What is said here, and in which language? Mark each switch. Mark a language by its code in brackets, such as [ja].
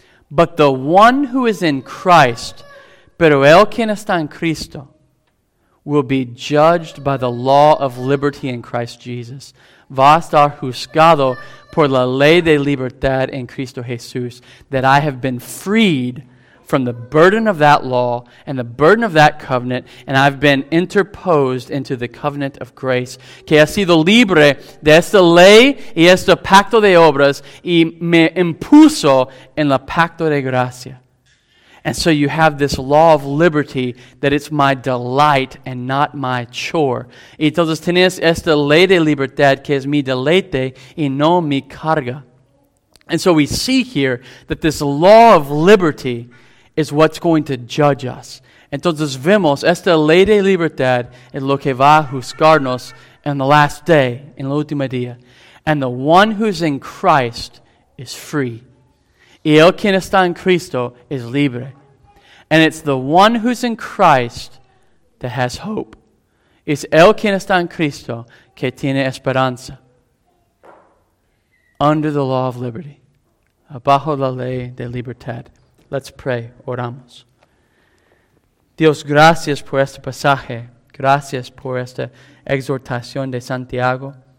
[en] But the one who is in Christ, [es] pero el quien está en Cristo, [en] will be judged by the law of liberty in Christ Jesus. [es] Va a estar juzgado por la ley de libertad en Cristo Jesús, [en] that I have been freed from the burden of that law and the burden of that covenant, and I've been interposed into the covenant of grace. [es] Que ha sido libre de esta ley y este pacto de obras y me impuso en la pacto de gracia. [en] And so you have this law of liberty that it's my delight and not my chore. [es] Y entonces tienes esta ley de libertad que es mi deleite y no mi carga. [en] And so we see here that this law of liberty is what's going to judge us. [es] Entonces vemos esta ley de libertad es lo que va a juzgarnos en [en] the last day, [es] en la última día. [en] And the one who's in Christ is free. [es] Y el quien está en Cristo es libre. [en] And it's the one who's in Christ that has hope. [es] Es el quien está en Cristo que tiene esperanza. [en] Under the law of liberty. [es] Abajo la ley de libertad. [en] Let's pray. [es] Oramos. Dios, gracias por este pasaje. Gracias por esta exhortación de Santiago.